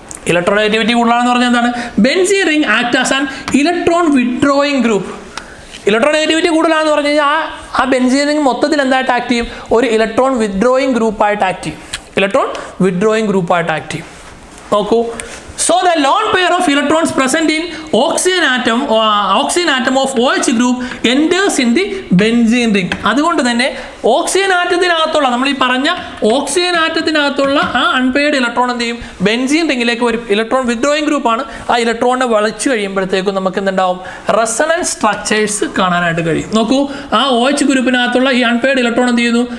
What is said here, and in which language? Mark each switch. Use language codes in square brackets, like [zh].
[en] electron negativity [ml] കൂടുതലാണ് പറഞ്ഞാൽ എന്താണ്, [en] Benzene ring act as an electron withdrawing group. [ml] Electron negativity കൂടുതലാണെന്ന് പറഞ്ഞു കഴിഞ്ഞാൽ ആ ബെൻസീൻ റിംഗ് മൊത്തത്തിൽ എന്തായിട്ട് ആക്ട് ചെയ്യും, ഒരു ഇലക്ട്രോൺ വിഡ്രോയിങ് ഗ്രൂപ്പായിട്ട് ആക്ട് ചെയ്യും, ഇലക്ട്രോൺ വിഡ്രോയിങ് ഗ്രൂപ്പായിട്ട് ആക്ട് ചെയ്യും. നോക്കൂ, [en] So the lone pair of electrons present in oxygen atom of OH group enters in the benzene ring. [ml] അതുകൊണ്ട് തന്നെ ഓക്സിജൻ ആറ്റത്തിനകത്തുള്ള നമ്മൾ ഈ പറഞ്ഞ ഓക്സിജൻ ആറ്റത്തിനകത്തുള്ള ആ അൺപെയർഡ് ഇലക്ട്രോൺ എന്ത് ചെയ്യും? ബെൻസീൻ റിംഗിലേക്ക് വരും. ഇലക്ട്രോൺ വിത്ഡ്രോയിങ് ഗ്രൂപ്പാണ്. ആ ഇലക്ട്രോണിനെ വളച്ചു കഴിയുമ്പോഴത്തേക്കും നമുക്ക് എന്തുണ്ടാവും? റെസൊണൻസ് സ്ട്രക്ചേഴ്സ് കാണാനായിട്ട് കഴിയും. നോക്കൂ, ആ ഒ എച്ച് ഗ്രൂപ്പിനകത്തുള്ള ഈ അൺപെയർഡ് ഇലക്ട്രോൺ എന്ത് ചെയ്യുന്നു?